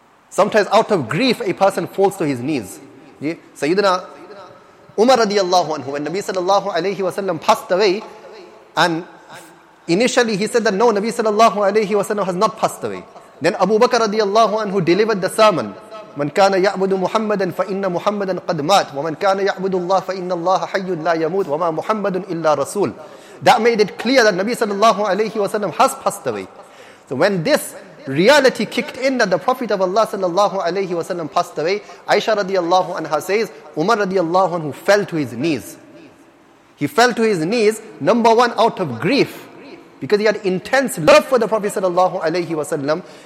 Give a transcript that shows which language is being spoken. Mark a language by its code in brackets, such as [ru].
[en] Sometimes out of grief, a person falls to his knees. Sayyidina Umar radiallahu anhu, when Nabi sallallahu alayhi wa sallam passed away, and initially he said that no, Nabi sallallahu alayhi wa sallam has not passed away. Then Abu Bakr radiallahu anhu delivered the sermon. [ar] من كان يعبد محمدا فإن محمدا قد مات ومن كان يعبد الله فإن الله حي لا يموت وما محمد إلا رسول. [en] That made it clear that Nabi sallallahu alayhi wa sallam has passed away. So when this reality kicked in that the Prophet of Allah sallallahu alayhi wa sallam passed away, Aisha radiallahu anha says, Umar radiallahu anhu fell to his knees. He fell to his knees, number one, out of grief, because he had intense love for the Prophet sallallahu alayhi wa sallam.